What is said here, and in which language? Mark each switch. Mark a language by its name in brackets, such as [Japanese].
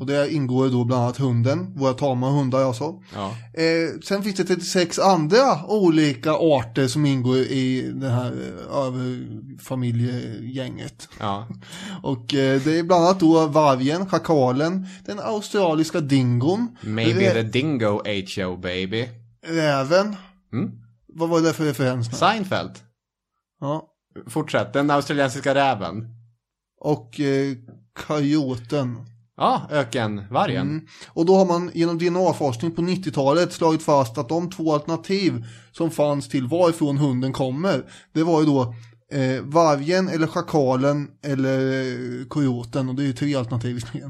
[Swedish] Och det ingår då bland annat hunden, våra tama hundar alltså. Ja. Sen finns det 36 andra olika arter som ingår i det här familjegänget. Ja. Och det är bland annat då vargen, schakalen, den australiska dingon. [English] Maybe the dingo ate your baby. [Swedish] Räven. Mm. Vad var det för referens? Med? Seinfeld. Ja. Fortsätt, den australiensiska räven. Och coyoten. Ja, ökenvargen. Mm. Och då har man genom DNA-forskning på 90-talet slagit fast att de två alternativ som fanns till varifrån hunden kommer, det var ju då vargen eller schakalen eller kojoten. Och det är ju tre alternativ.